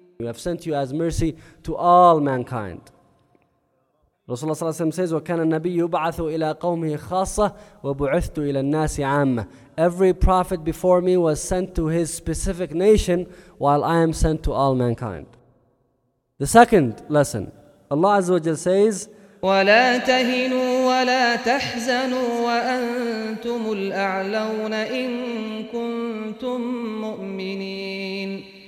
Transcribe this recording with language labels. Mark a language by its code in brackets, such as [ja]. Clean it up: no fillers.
[en] We have sent you as mercy to all mankind. [ar] Rasulullah sallallahu alayhi wa sallam says, وَكَانَ النَّبِيُّ يُبْعَثُ إِلَىٰ قَوْمِهِ خَاصَّةِ وَبُعِثْتُ إِلَىٰ النَّاسِ عَامَّةِ. [en] Every prophet before me was sent to his specific nation, while I am sent to all mankind. The second lesson, Allah Azza wa Jal says, [ar] وَلَا تَهِنُوا وَلَا تَحْزَنُوا وَأَنْتُمُ الْأَعْلَوْنَ إِن كُنْتُم مُؤْمِنِينَ.